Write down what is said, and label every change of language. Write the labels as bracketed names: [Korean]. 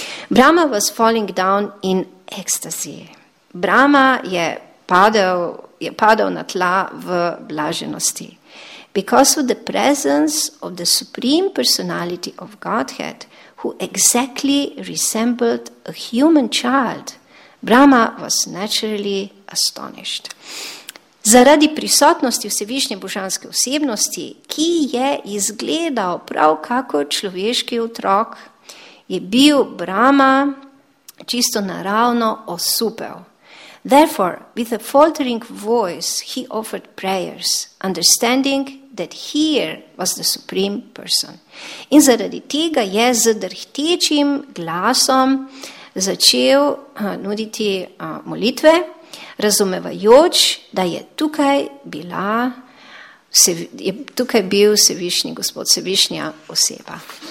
[English] Brahma was falling down in ecstasy. [Slovenian] Brahma je padel na tla v blaženosti. [English] Because of the presence of the Supreme Personality of Godhead, who exactly resembled a human child, Brahma was naturally astonished. [Slovenian] Zaradi prisotnosti vsevišnje božanske osebnosti, ki je izgledal prav kakor človeški otrok, je bil Brahma čisto naravno osupel. [English] Therefore, with a faltering voice, he offered prayers, understanding that here was the Supreme Person. [Slovenian] In zaradi tega je z drhtečim glasom začel nuditi molitve, razumevajoč, da je tukaj bila, je tukaj bil vsevišnji gospod, vsevišnja oseba.